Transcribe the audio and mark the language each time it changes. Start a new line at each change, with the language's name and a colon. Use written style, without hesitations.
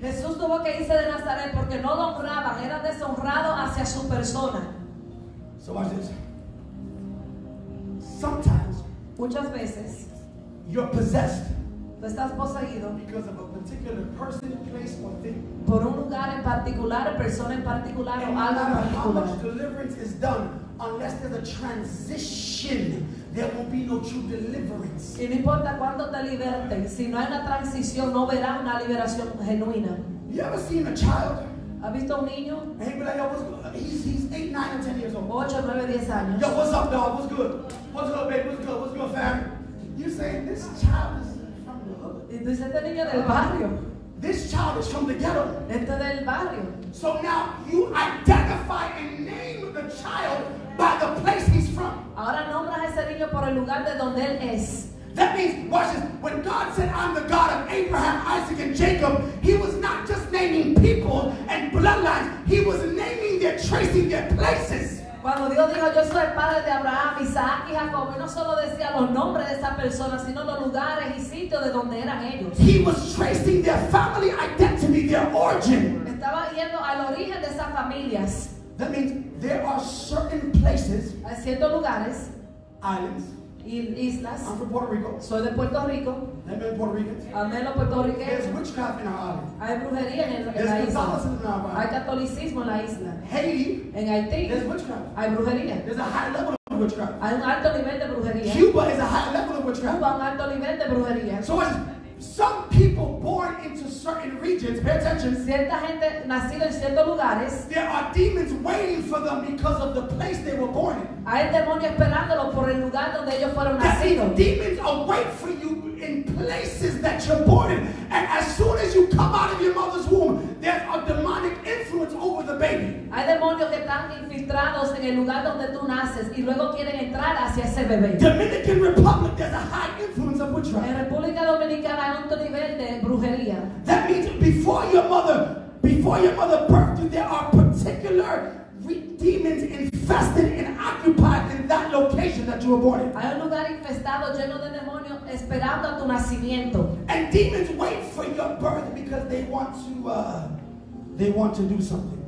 Spanish: Jesús tuvo que irse de Nazaret porque no lo honraban, era deshonrado hacia su persona.
English: So watch this. Sometimes,
Spanish: muchas veces,
English: you're possessed.
Spanish: Tú estás poseído
English: because of a particular person, place, or thing.
Spanish: Por un lugar en particular, persona en particular,
English: and
Spanish: o algo
English: no matter
Spanish: particular.
English: How much deliverance is done, unless there's a transition, there won't be no true deliverance.
Spanish: Y no importa cuánto te liberten, si no hay una transición, no verás una liberación genuina.
English: You ever seen a child?
Spanish: ¿Has visto un niño?
English: Hey, but like, he's 8, 9, or 10 years old.
Spanish: 8, 9, 10 años.
English: Yo, what's up, dog? What's good? What's up, baby? What's good? What's good, fam? You say this child is.
Spanish: Entonces este niño del barrio.
English: This child is from the ghetto.
Spanish: Este del barrio.
English: So now you identify and name the child by the place he's from.
Spanish: Ahora nombras a ese niño por el lugar de donde él es.
English: That means, watch this. When God said, "I'm the God of Abraham, Isaac, and Jacob," He was not just naming people and bloodlines. He was naming their tracing their places.
Spanish: Cuando Dios dijo, "Yo soy el padre de Abraham, Isaac y Jacob," no solo decía los nombres de esas personas, sino los lugares y sitios de donde eran ellos.
English: He was tracing their family identity, their origin.
Spanish: Estaba yendo al origen de esas familias.
English: That means there are certain places.
Spanish: Hay ciertos lugares.
English: Islands.
Spanish: Islas.
English: I'm from Puerto Rico.
Spanish: Soy de Puerto Rico.
English: Amen, Puerto Ricans.
Spanish: Amen, los puertorriqueños.
English: There's witchcraft in our island.
Spanish: Hay brujería en la isla.
English: There's Catholicism in our island.
Spanish: Hay catolicismo en la isla.
English: Haiti.
Spanish: En Haití.
English: There's witchcraft.
Spanish: Hay brujería.
English: There's a high level of witchcraft.
Spanish: Hay un alto nivel de brujería.
English: Cuba is a high level of witchcraft.
Spanish: Cuba un alto nivel de brujería.
English: So as some people born into certain regions, pay attention.
Spanish: Cierta gente nacida en ciertos lugares.
English: There are demons waiting for them because of the place they were born in.
Spanish: Hay demonios esperándolos por el lugar donde ellos fueron nacidos.
English: Demons await for you in places that you're born in. And as soon as you come out of your mother's womb, there's a demonic influence over the baby.
Spanish: Hay demonios que están infiltrados en el lugar donde tú naces y luego quieren entrar hacia ese bebé.
English: Dominican Republic, there's a high influence of witchcraft.
Spanish: En República Dominicana hay alto nivel de brujería.
English: That means before your mother birthed you, there are particular demons infested and occupied in that location that you were born in.
Spanish: Hay un lugar infestado lleno de demonios esperando a tu nacimiento.
English: And demons wait for your birth because they want to do something.